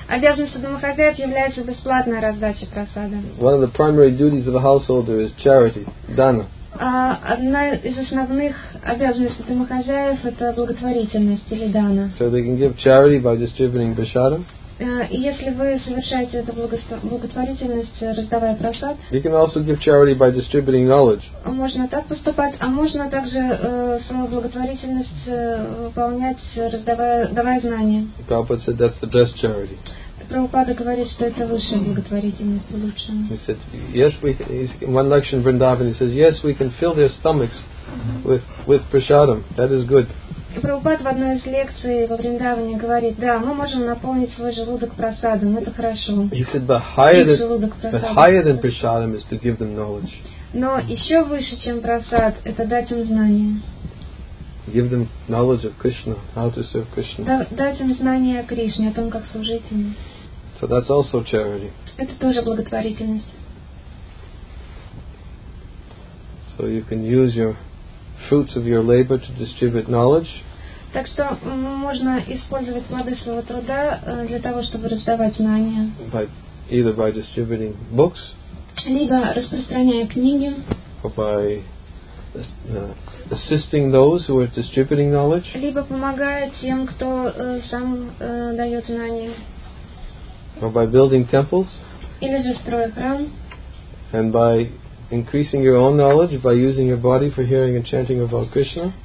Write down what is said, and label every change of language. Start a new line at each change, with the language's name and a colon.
Russian: Обязанность домохозяев является бесплатная раздача прасадам.
English: One of the primary duties of a householder is charity, dana.
Russian: Одна из основных обязанностей домохозяев это благотворительность или dana.
English: So they can give charity by distributing prasadam.
Russian: Если вы совершаете эту благотворительность, раздавая просад,
English: you can also give charity by distributing knowledge.
Russian: Можно так поступать, а можно также свою благотворительность выполнять, давая знания.
English: Prabhupada said that's the best charity.
Russian: Прабхупада говорит, что это высшая благотворительность, лучшая.
English: He said, yes, in one lecture in Vrindavan, he says, yes, we can fill their stomachs with prasadam. That is good.
Russian: Прабхупад в одной из лекций во Вриндаване говорит, да, мы можем наполнить свой желудок просадом, это хорошо.
English: He said, but higher than, prasadam is to give them knowledge.
Russian: Но еще выше, чем просад, это дать им знания.
English: Give them knowledge of Krishna, how to serve Krishna.
Russian: Дать им знания о Кришне, о том, как служить ему.
English: So that's also charity.
Russian: Это тоже благотворительность.
English: So you can use your fruits of your labor to distribute knowledge.
Russian: Так что можно использовать плоды своего труда для того, чтобы раздавать знания.
English: Either by distributing books.
Russian: Либо распространяя книги.
English: Or by assisting those who are distributing knowledge.
Russian: Либо помогая тем, кто сам дает знания.
English: Or by building temples.
Russian: Или же строя храм.
English: And by increasing your own knowledge by using your body for hearing and chanting about Krishna.